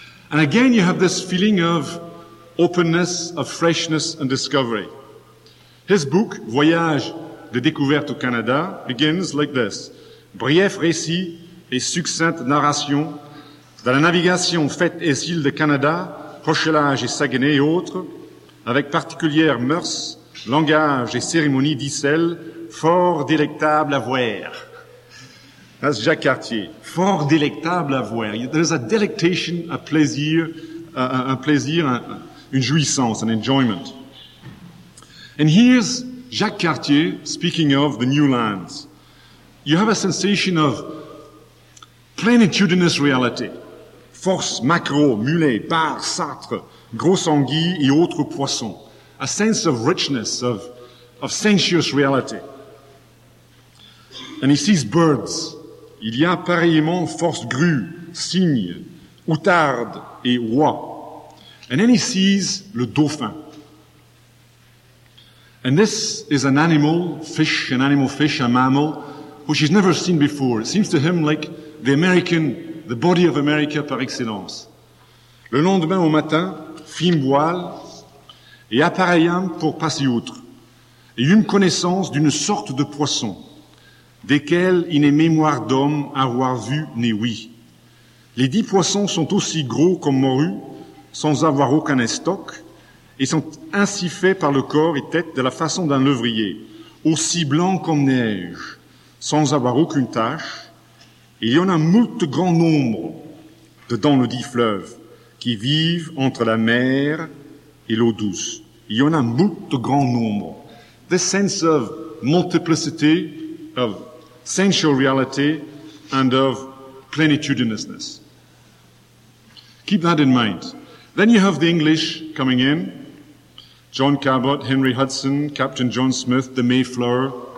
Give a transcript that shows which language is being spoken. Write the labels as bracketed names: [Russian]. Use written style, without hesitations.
[English] And again, you have this feeling of openness, of freshness and discovery. His book, Voyage de découverte au Canada, begins like this. [French] Bref récit et succincte narration de la navigation faite aux îles de Canada, Rochelage et Saguenay et autres, avec particulière mœurs, langage et cérémonie, dit-elle, fort délectable à voir. [English] That's Jacques Cartier. [French] Fort délectable à voir. [English] There is a delectation, a plaisir, [French] une jouissance, [English] an enjoyment. And here's Jacques Cartier speaking of the new lands. You have a sensation of plenitudinous reality. [French] Force, maquereau, mulet, bar, sartre, grosse anguille et autres poissons. [English] A sense of richness, of sensuous reality. And he sees birds. [French] Il y a pareillement force grue, cygne, outarde et oie. [English] And then he sees le dauphin. And this is an animal, fish, an animal fish, a mammal, which he's never seen before. It seems to him like the American, the body of America par excellence. [French] Le lendemain au matin, fine voile et appareillant pour passer outre. Et une connaissance d'une sorte de poisson, desquels il n'est mémoire d'homme avoir vu ni oui. Les 10 poissons sont aussi gros comme morue, sans avoir aucun estoc, et sont ainsi faits par le corps et tête de la façon d'un levrier, aussi blanc comme neige, sans avoir aucune tache. Il y en a moult grand nombre dedans le dit fleuve, qui vivent entre la mer et l'eau douce. Il y en a moult grand nombre. [English] The sense of multiplicity, of sensual reality, and of plenitudinousness. Keep that in mind. Then you have the English coming in. John Cabot, Henry Hudson, Captain John Smith, the Mayflower.